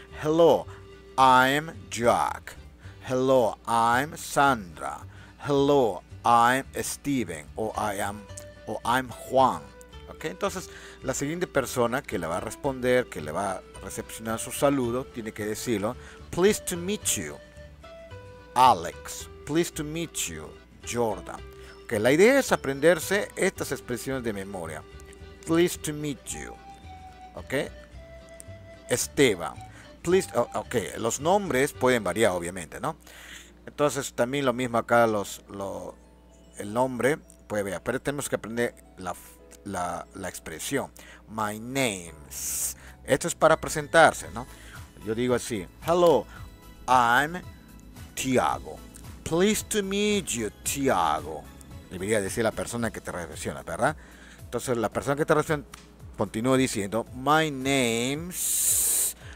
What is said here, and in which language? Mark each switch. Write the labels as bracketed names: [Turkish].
[English] Hello, I am Jack. Hello, I am Sandra. Hello, I am Steven. O I am Juan. [Spanish] Okay, entonces, la siguiente persona que le va a responder, que le va a recepcionar su saludo, tiene que decirlo. [English] Pleased to meet you, Alex. Pleased to meet you, Jordan. [Spanish] Okay, la idea es aprenderse estas expresiones de memoria. [English] Pleased to meet you. Okay. Esteban. [Spanish] Okay, los nombres pueden variar, obviamente, ¿no? Entonces, también lo mismo acá, el nombre puede variar. Pero tenemos que aprender la expresión [English] my name. [Spanish] Esto es para presentarse, ¿no? Yo digo así: [English] hello, I'm Tiago. Pleased to meet you, Tiago. [Spanish] Debería decir la persona que te recepciona, ¿verdad? Entonces la persona que te recepciona continúa diciendo [English] my name's.